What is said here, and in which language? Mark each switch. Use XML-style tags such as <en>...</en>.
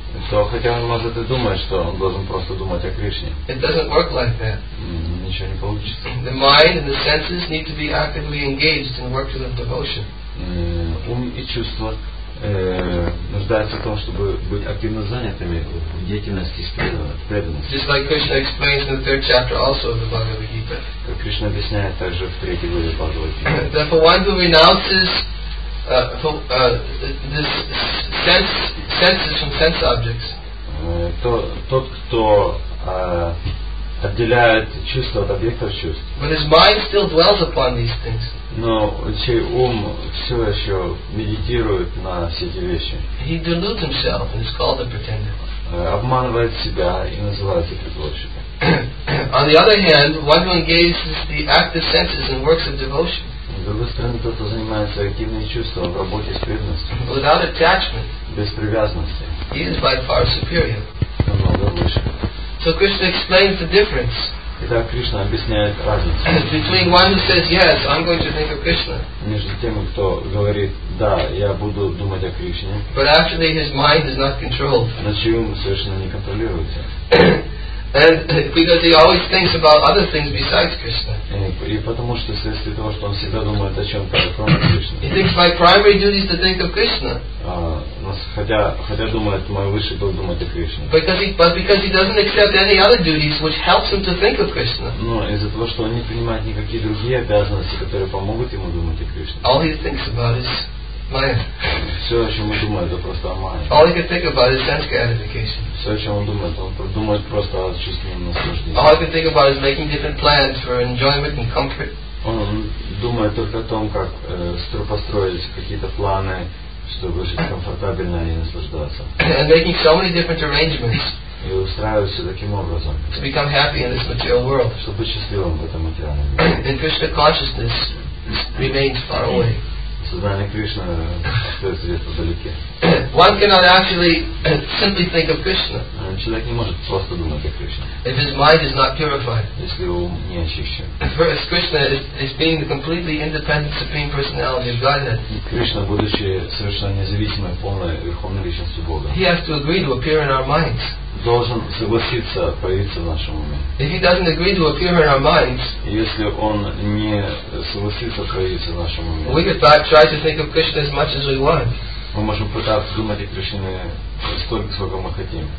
<ru>То, хотя он может и думать, что он должен просто думать о Кришне.</ru> <en>It doesn't work like that.</en> <ru>Ничего не получится.</ru> <en>The mind and the senses need to be actively engaged in working of devotion.</en> <ru>Ум и чувства нуждаются в том, чтобы быть активно занятыми в деятельности преданности.</ru> <en>Just like Krishna explains in the third chapter also of the Bhagavad Gita.</en> <ru>Как Кришна объясняет также в третьей главе Бхагавад Гиты.</ru> <en>Therefore, one who renounces senses from sense objects.</en> <ru>Тот, кто отделяет чувства от объектов чувств.</ru> <en>But his mind still dwells upon these things.</en> <ru>Но чей ум все еще медитирует на все эти вещи.</ru> <en>He deludes himself and is called a pretender.</en> <ru>Обманывает себя и называется предложником.</ru> <en>On the other hand, one who engages the active senses in works of devotion.</en> <ru>С другой стороны, тот, кто занимается активными чувствами в работе с преданностью.</ru> <en>Without attachment.</en> <ru>Без привязанности.</ru> <en>He is by far superior.</en> <ru>Намного выше.</ru> <en>So Krishna explains the difference.</en> <ru>Итак, Кришна объясняет разницу.</ru> <en>Between one who says yes, I'm going to think of Krishna.</en> <ru>Между тем, кто говорит да, я буду думать о Кришне.</ru> <en>But actually his mind is not controlled.</en> <ru>Но чей ум совершенно не контролируется.</ru> <en>And because he always thinks about other things besides Krishna.</en> <ru>И потому что вследствие того, что он всегда думает о чем-то, кроме Кришны.</ru> <en>He thinks my primary duty is to think of Krishna.</en> <ru>Хотя думает, мой высший долг думать о Кришне.</ru> <en>Because he doesn't accept any other duties which helps him to think of Krishna.</en> <ru>Но из-за того, что он не принимает никакие другие обязанности, которые помогут ему думать о Кришне.</ru> <en>All he thinks about is Майя.</en> <ru>Все, о чем он думает, это просто о Майя.</ru> <en>All he can think about is sense gratification.</en> <ru>Все, о чем он думает просто о чувственном наслаждении.</ru> <en>All he can think about is making different plans for enjoyment and comfort.</en> <ru>Он думает только о том, как построить какие-то планы, чтобы жить комфортабельно и наслаждаться.</ru> <en>And making so many different arrangements.</en> <ru>И устраивать все таким образом.</ru> <en>To become happy in this material world.</en> <ru>Чтобы быть счастливым в этом материальном мире.</ru> <en>And Krishna consciousness remains far away.</en> <ru>Сознание Кришны остается где-то вдалеке.</ru> <en>One cannot actually simply think of Krishna.</en> <ru>Человек не может просто думать о Кришне.</ru> <en>If his mind is not purified.</en> <ru>Если ум не очищен.</ru> <en>First, Krishna is being the completely independent supreme personality of Godhead.</en> <ru>Кришна, будучи совершенно независимой, полной верховной личностью Бога.</ru> <en>He has to agree to appear in our minds.</en> <ru>Должен согласиться появиться в нашем уме.</ru> <en>If he doesn't agree to appear in our minds.</en> <ru>Если он не согласится появиться в нашем уме.</ru> <en>We could try to think of Krishna as much as we want.</en> <ru>Мы можем пытаться думать о Кришне столько, сколько мы хотим.</ru>